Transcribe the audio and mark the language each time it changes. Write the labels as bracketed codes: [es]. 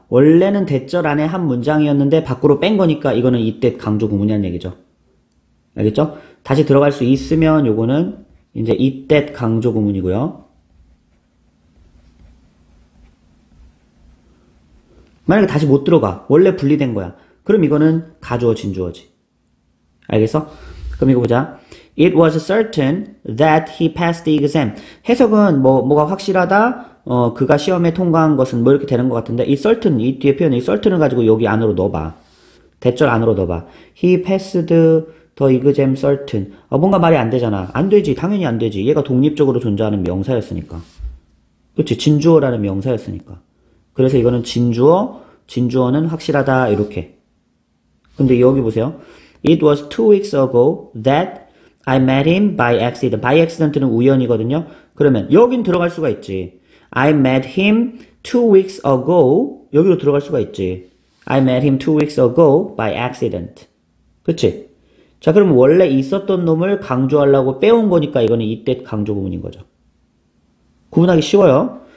[ko] 원래는 대절 안에 한 문장이었는데 밖으로 뺀 거니까 이거는 이때 강조 구문이라는 얘기죠. 알겠죠? 다시 들어갈 수 있으면 요거는 이제 이때 강조 구문이고요. 만약에 다시 못 들어가. 원래 분리된 거야. 그럼 이거는 가주어 진주어지. 알겠어? 그럼 이거 보자. [en] It was certain that he passed the exam. [ko] 해석은 뭐가 확실하다. 그가 시험에 통과한 것은 뭐 이렇게 되는 것 같은데 이 certain 이 뒤에 표현 이 certain을 가지고 여기 안으로 넣어봐. 대절 안으로 넣어봐. [en] He passed the exam certain. [ko] 뭔가 말이 안 되잖아. 안 되지. 당연히 안 되지. 얘가 독립적으로 존재하는 명사였으니까. 그렇지. 진주어라는 명사였으니까. 그래서 이거는 진주어. 진주어는 확실하다. 이렇게. 근데 여기 보세요. [en] It was 2 weeks ago that I met him by accident. [ko] By accident는 우연이거든요. 그러면 여긴 들어갈 수가 있지. [en] I met him 2 weeks ago. [ko] 여기로 들어갈 수가 있지. [en] I met him 2 weeks ago by accident. [ko] 그치? 자, 그럼 원래 있었던 놈을 강조하려고 빼온 거니까 이거는 이때 강조 구문인 거죠. 구분하기 쉬워요.